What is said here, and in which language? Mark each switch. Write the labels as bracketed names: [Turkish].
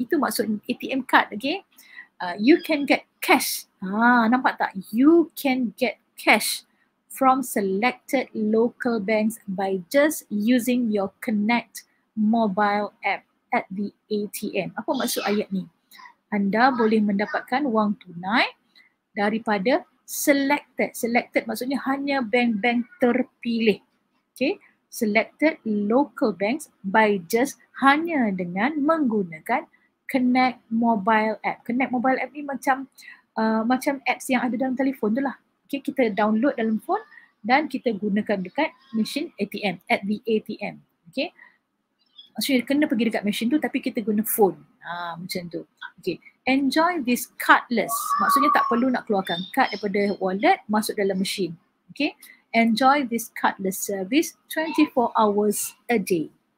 [Malay] Itu maksud [English] ATM card, okay? You can get cash. [Malay] Nampak tak? [English] You can get cash from selected local banks by just using your Connect mobile app at the ATM. [Malay] Apa maksud ayat ni? Anda boleh mendapatkan wang tunai daripada selected maksudnya hanya bank-bank terpilih. [English] Okay, selected local banks by just [Malay] hanya dengan menggunakan [English] Connect mobile app. [Malay] Connect mobile app ni macam macam apps yang ada dalam telefon tu lah. Okay, kita download dalam phone dan kita gunakan dekat mesin ATM, [English] at the ATM. [Malay] Okay, maksudnya kena pergi dekat mesin tu tapi kita guna phone. Macam tu. [English] Okay, enjoy this cardless. [Malay] Maksudnya tak perlu nak keluarkan card daripada wallet, masuk dalam mesin. [English] Okay, enjoy this cardless service 24 hours a day.